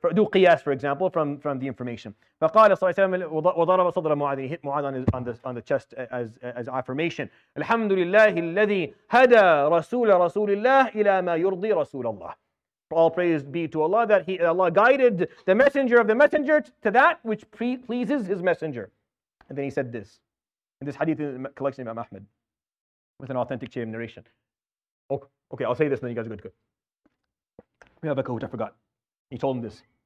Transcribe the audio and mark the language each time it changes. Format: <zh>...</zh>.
<en>Do قياس, for example, from the information.</en> <ar>فقال صلى الله عليه وسلم وضرب صدر معاذ.</ar> <en>He hit Muadh on the chest as affirmation.</en> <ar>الحمد لله الذي هدى رسول رسول الله إلى ما يرضي رسول الله.</ar> <en>All praise be to Allah that Allah guided the messenger of the messenger to that which pleases his messenger. And then he said this. In this hadith in the collection of Imam Ahmad, with an authentic chain of narration. Okay, I'll say this and then you guys are good. We have a quote, I forgot. He told him this.</en>